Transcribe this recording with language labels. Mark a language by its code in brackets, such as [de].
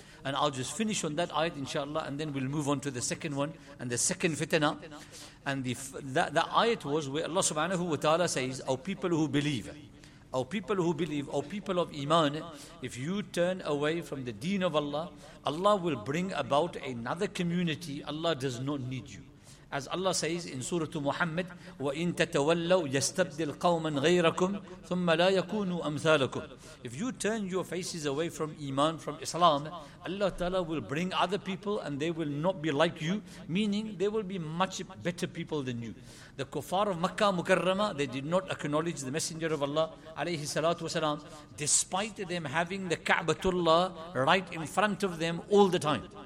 [en] And I'll just finish on that ayat, inshallah, and then we'll move on to the second one and the second fitna. And the ayat was where Allah subhanahu wa ta'ala says, O people who believe, O people of Iman, if you turn away from the deen of Allah, Allah will bring about another community. Allah does not need you. As Allah says in Surah Muhammad, [ar] وَإِن تَتَوَلَّوْا يَسْتَبْدِلْ قَوْمًا غَيْرَكُمْ ثُمَّ لَا يَكُونُوا أَمْثَالَكُمْ. [en] If you turn your faces away from Iman, from Islam, Allah Ta'ala will bring other people and they will not be like you, meaning they will be much better people than you. The kuffar of Makkah Mukarramah, they did not acknowledge the Messenger of Allah alayhi salatu wasalam, despite them having the Ka'batullah right in front of them all the time.